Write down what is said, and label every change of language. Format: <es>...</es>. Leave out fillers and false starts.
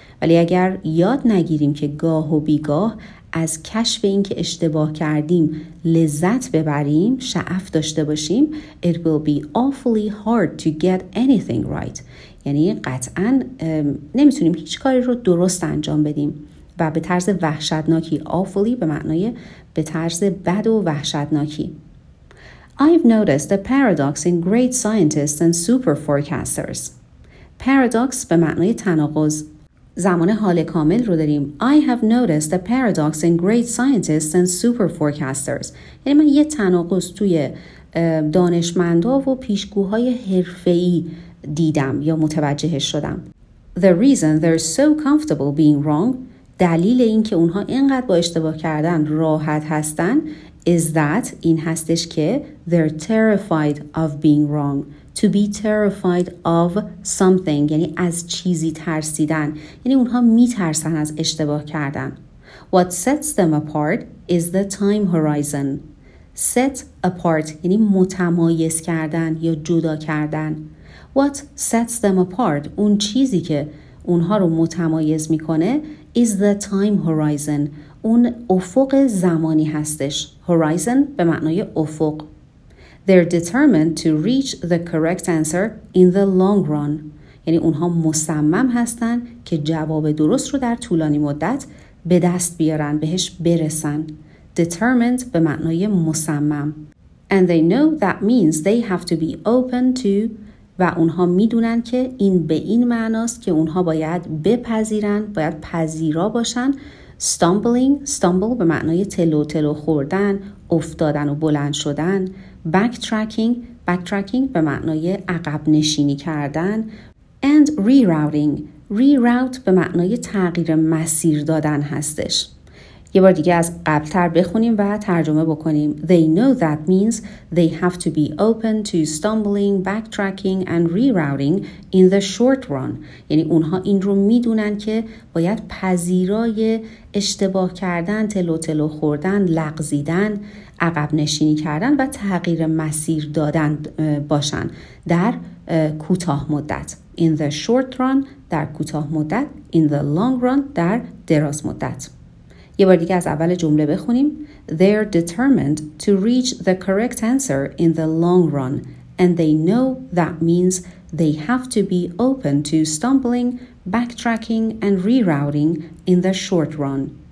<fa>ولی اگر یاد نگیریم که گاه و بیگاه از کشف این که اشتباه کردیم لذت ببریم, شعف داشته باشیم,</fa> <en>it will be awfully hard to get anything right.</en> <fa>یعنی قطعاً نمیتونیم هیچ کاری رو درست انجام بدیم. و به طرز وحشتناکی, awfully به معنای به طرز بد و وحشتناکی.</fa> <en>I've noticed a paradox in great scientists and super forecasters.</en> <fa>Paradox به معنای تناقض. زمان حال کامل رو داریم.</fa> <en>I have noticed a paradox in great scientists and super forecasters.</en> <fa>یعنی من یه تناقض توی دانشمندا و پیشگوهای حرفه‌ای دیدم یا متوجهش شدم.</fa> <en>The reason they're so comfortable being wrong,</en> <fa>دلیل این که اونها اینقدر با اشتباه کردن راحت هستن,</fa> <en>is that</en> <fa>این هستش که</fa> <en>they're terrified of being wrong. To be terrified of something</en> <fa>یعنی از چیزی ترسیدن, یعنی اونها میترسن از اشتباه کردن.</fa> <en>What sets them apart is the time horizon.</en> <fa>Set apart یعنی متمایز کردن یا جدا کردن.</fa> <en>What sets them apart,</en> <fa>اون چیزی که اونها رو متمایز میکنه,</fa> <en>is the time horizon,</en> <fa>اون افق زمانی هستش. Horizon به معنای افق.</fa> <en>They're determined to reach the correct answer in the long run.</en> <fa>یعنی اونها مصمم هستن که جواب درست رو در طولانی مدت به دست بیارن, بهش برسن. Determined به معنای مصمم.</fa> <en>And they know that means they have to be open to,</en> <fa>و اونها میدونن که این به این معناست که اونها باید بپذیرن, باید پذیرا باشن. Stumbling, stumble به معنای تلو تلو خوردن, افتادن و بلند شدن. Backtracking, backtracking به معنای عقب نشینی کردن.</fa> <en>And rerouting,</en> <fa>reroute به معنای تغییر مسیر دادن هستش. یه بار دیگه از قبل‌تر بخونیم و ترجمه بکنیم.</fa> <en>They know that means they have to be open to stumbling, backtracking and rerouting in the short run.</en> <fa>یعنی اونها این رو میدونن که باید پذیرای اشتباه کردن, تلو تلو خوردن, لغزیدن, عقب نشینی کردن و تغییر مسیر دادن باشن در کوتاه مدت.</fa> <en>In the short run,</en> <fa>در کوتاه مدت.</fa> <en>In the long run,</en> <fa>در دراز مدت. یه بار دیگه از اول جمله بخونیم.</fa> <en>They are determined to reach the correct answer in the long run and they know that means they have to be open to stumbling, backtracking and rerouting in the short run.</en>